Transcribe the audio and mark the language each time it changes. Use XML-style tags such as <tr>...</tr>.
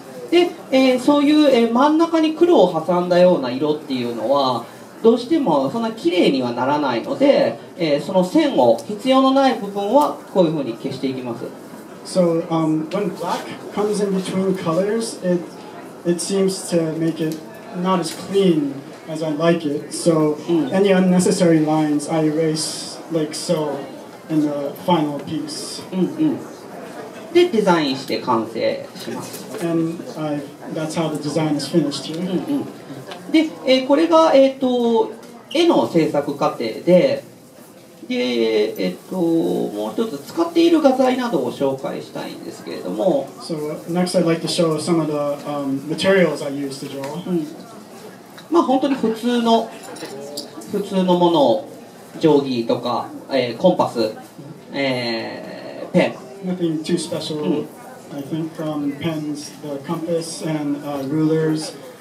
<ja>で、そういう、真ん中に黒を挟んだような色っていうのは、どうしてもそんな綺麗にはならないので、その線を、必要のない部分はこういうふうに消していきます。</ja> <en>So, when black comes in between colors, it seems to make it not as clean. As I like it, so any unnecessary lines I erase like so in the final piece.</en> <ja>で、デザインして完成します。</ja> <en>And that's how the design is finished here.</en> <ja>で、これが、絵の制作過程で、で、もう一つ使っている画材などを紹介したいんですけれども。</ja> <en>So next I'd like to show some of the materials I used to draw.</en> <ja>まあ、本当に普通のものを定規とか、コンパス、ペン。</ja> <en>Nothing too special. I think from pens, the compass and rulers.</en>